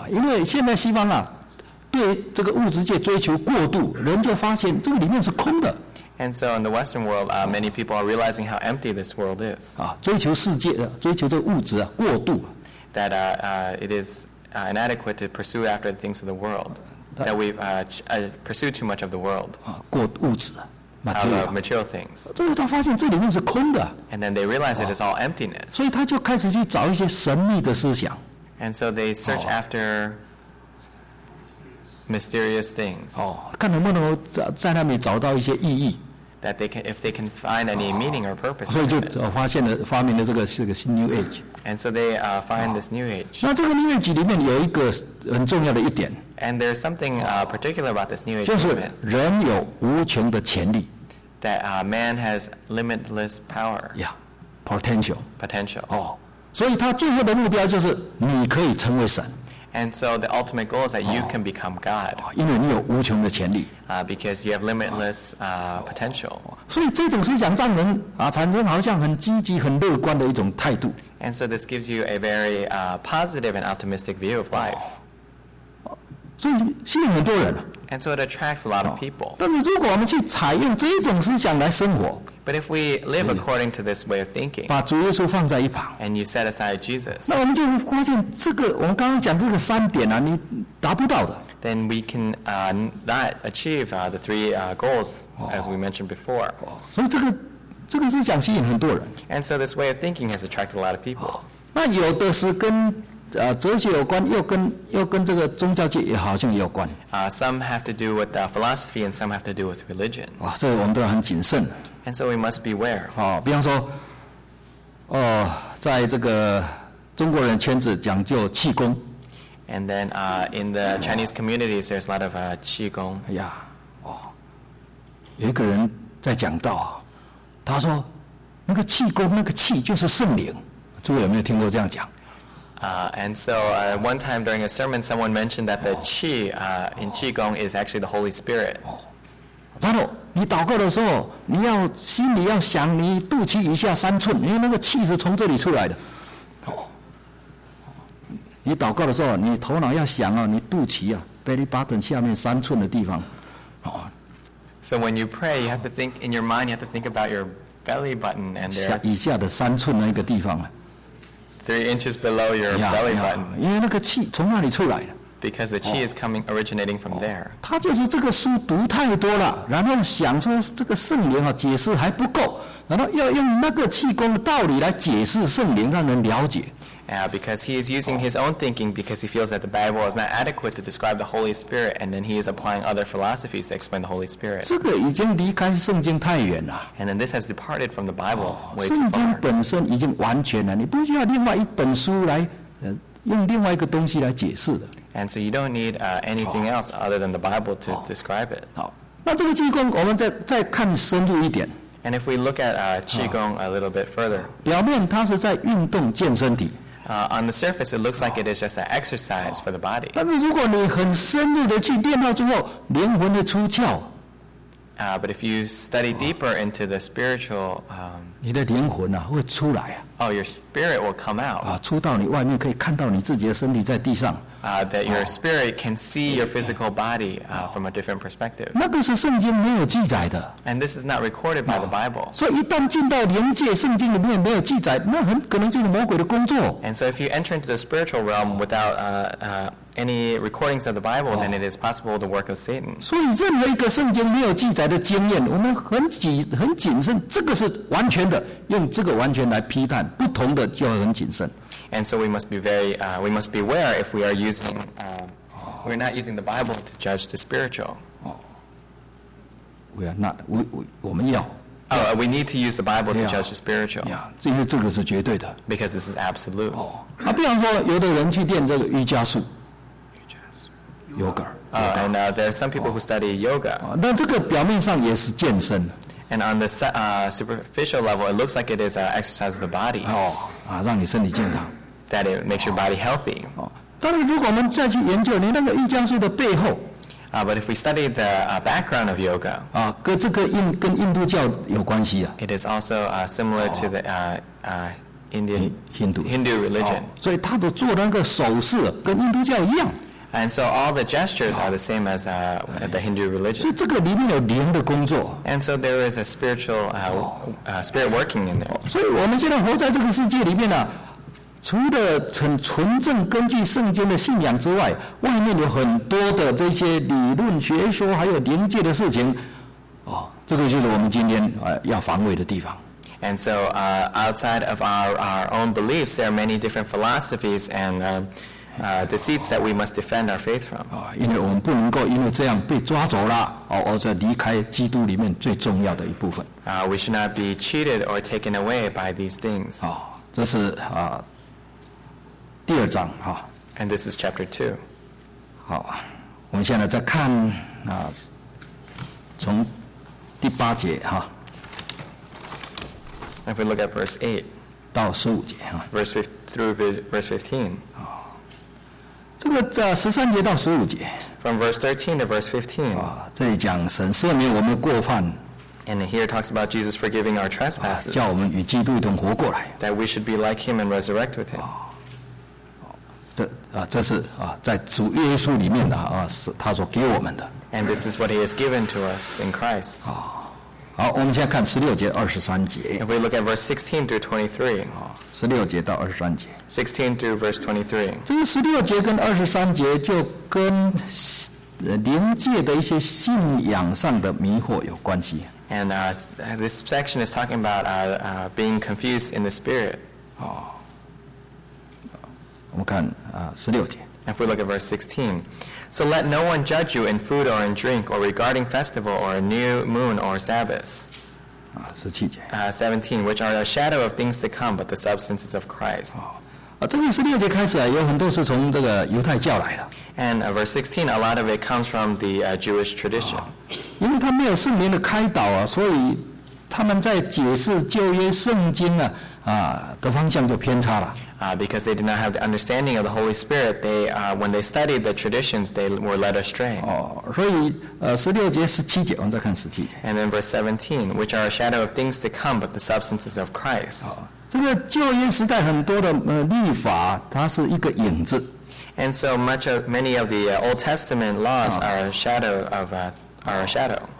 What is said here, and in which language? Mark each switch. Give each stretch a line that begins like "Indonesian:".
Chinese: 因为现在西方对这个物质界追求过度，人就发现这个里面是空的。
English: And so in the Western world, many people are realizing how empty this world is.
Chinese: 追求世界，追求这物质过度。
English: That it is inadequate to pursue after the things of the world. That we've pursued too much of the world.
Chinese: 过物质
English: material things.
Chinese: 最后他发现这里面是空的。
English: And then they realize it is all emptiness.
Chinese: 所以他就开始去找一些神秘的思想。
English: And so they search after mysterious things.
Chinese: 看能不能在那边找到一些意义。
English: That they can, if they can find any meaning or purpose.
Chinese: 所以就发现了发明了这个新 New Age.
English: And so they find this New Age.
Chinese: 那这个 New Age 里面有一个很重要的一点。
English: And there's something particular about this New Age.
Chinese: 就是人有无穷的潜力。
English: That man has limitless power. Yeah, potential. Potential.
Chinese: 所以他最后的目标就是你可以成为神。
English: And so the ultimate goal is that you can become God.
Chinese: 因为你有无穷的潜力。
English: Because you have limitless potential.
Chinese: 所以这种思想让人产生好像很积极、很乐观的一种态度。
English: And so this gives you a very positive and optimistic view of life.
Chinese: 所以吸引很多人。
English: And so it attracts a lot of people.
Chinese: 但是如果我们去采用这种思想来生活。
English: But if we live according to this way of thinking,
Chinese: 把主耶稣放在一旁,
English: and you set aside Jesus,
Chinese: 那我们就发现这个,我们刚刚讲这个三点啊,你达不到的。
English: Then we can not achieve the three goals as we mentioned before.
Chinese: 所以这个思想吸引很多人。
English: And so this way of thinking has attracted a lot of people.
Chinese: 那有的是跟哲学有关，又跟这个宗教界也好像也有关。
English: Some have to do with philosophy, and some have to do with religion.
Chinese: 哇，这个我们都要很谨慎。
English: And so we must beware.
Chinese: 比方说，在这个中国人圈子讲究气功。
English: And then, in the Chinese communities, there's a lot of 气功。
Chinese: 哎呀，有一个人在讲道，他说那个气功，那个气就是圣灵。诸位有没有听过这样讲？
English: And so one time during a sermon, someone mentioned that the qi in qigong is actually the Holy Spirit.
Chinese: 然后你祷告的时候，你要心里要想你肚脐以下三寸，因为那个气是从这里出来的。你祷告的时候，你头脑要想你肚脐
English: belly button
Chinese: 下面三寸的地方。
English: So when you pray, you have to think in your mind. You have to think about your belly button and there.
Chinese: 以下的三寸那个地方。
English: 3 inches below your belly button.
Chinese: 因为那个气从那里出来的。
English: Because the qi is coming, originating from there.
Chinese: 他就是这个书读太多了，然后想说这个圣灵解释还不够，然后要用那个气功的道理来解释圣灵，让人了解。
English: Because he is using his own thinking because he feels that the Bible is not adequate to describe the Holy Spirit, and then he is applying other philosophies to explain the Holy Spirit.
Chinese: 这个已经离开圣经太远了。
English: And then this has departed from the Bible.
Chinese: 圣经本身已经完全了，你不需要另外一本书来，用另外一个东西来解释的。
English: And so you don't need anything else other than the Bible to describe it.
Chinese: 好，那这个气功，我们再看深入一点。
English: And if we look at qigong a little bit further,
Chinese: 表面它是在运动健身体。
English: On the surface, it looks like it is just an exercise for the body.
Chinese: 但是如果你很深入的去练到之后，灵魂的出窍。
English: But if you study deeper into the spiritual,
Chinese: 你的灵魂会出来啊。
English: Oh, your spirit will come out.
Chinese: 出到你外面可以看到你自己的身体在地上。
English: That your spirit can see your physical body from a different perspective.
Chinese: 那个是圣经没有记载的。
English: And this is not recorded by the Bible.
Chinese: 所以一旦进到灵界，圣经里面没有记载，那很可能就是魔鬼的工作。
English: And so if you enter into the spiritual realm without any recordings of the Bible, then it is possible the work of Satan.
Chinese: 所以任何一个圣经没有记载的经验，我们很谨慎，这个是完全的，用这个完全来批判，不同的就很谨慎。
English: And so we must be very, we must beware if we are using, we're not using the Bible to judge the spiritual. We are not, we
Chinese: 我们要。
English: We need to use the Bible to judge the spiritual.
Chinese: Yeah, 因为这个是绝对的。
English: Because this is absolute.
Chinese: 比方说有的人去练这个瑜伽术。
English: And there are some people who study yoga.
Chinese: 但这个表面上也是健身。
English: And on the superficial level, it looks like it is an exercise of the body.
Chinese: 让你身体健康。
English: That it makes your body healthy.
Chinese: 但是如果我们再去研究你那个瑜伽术的背后。
English: But if we study the background of yoga.
Chinese: 跟印度教有关系啊。
English: It is also similar to the Hindu religion.
Chinese: 所以他的做那个手势跟印度教一样。
English: And so all the gestures are the same as the Hindu religion.
Chinese: 所以这个里面有灵的工作。
English: And so there is a spiritual spirit working in there.
Chinese: 所以我们现在活在这个世界里面除了很纯正根据圣经的信仰之外，外面有很多的这些理论学说，还有灵界的事情。这个就是我们今天要防卫的地方。
English: And so outside of our own beliefs, there are many different philosophies and deceits that we must defend our faith from.
Chinese: 因为我们不能够因为这样被抓走了，而在离开基督里面最重要的一部分。
English: We should not be cheated or taken away by these things.
Chinese: 这是第二章。
English: And this is chapter 2.
Chinese: 好，我们现在再看从第八节
English: If we look at verse 8.
Chinese: 到十五节
English: Verse 15.
Chinese: 这个十三节到十五节
English: ，From verse 13 to verse 15，
Chinese: 这里讲神赦免我们的过犯
English: ，And here talks about Jesus forgiving our trespasses，
Chinese: 叫我们与基督一同活过来
English: ，That we should be like Him and resurrect with Him。
Chinese: 这这是啊，在主耶稣里面的啊，是他所给我们的。
English: And this is what he has given to us in Christ.
Chinese: 啊，好，我们现在看十六节二十三节。
English: If we look at verse 16 through 23.
Chinese: 啊，十六节到二十三节。
English: 16 through verse 23.
Chinese: 这个十六节跟二十三节就跟灵界的一些信仰上的迷惑有关系。
English: And this section is talking about being confused in the spirit.
Chinese: 啊。我们看16节。
English: If we look at verse 16. So let no one judge you in food or in drink or regarding festival or a new moon or Sabbath.
Chinese: 17节。
English: 17, which are a shadow of things to come, but the substances of Christ.
Chinese: 这个16节开始有很多是从这个犹太教来的。
English: And verse 16, a lot of it comes from the Jewish tradition.
Chinese: 因为他没有圣灵的开导所以他们在解释旧约圣经的方向就偏差了。
English: Because they did not have the understanding of the Holy Spirit, they, when they studied the traditions, they were led astray.
Chinese: 所以16节17节，我们再看17节。
English: And then verse 17, which are a shadow of things to come, but the substances of Christ.
Chinese: 这个旧约时代很多的律法，它是一个影子。
English: And so many of the Old Testament laws are a shadow of are a shadow.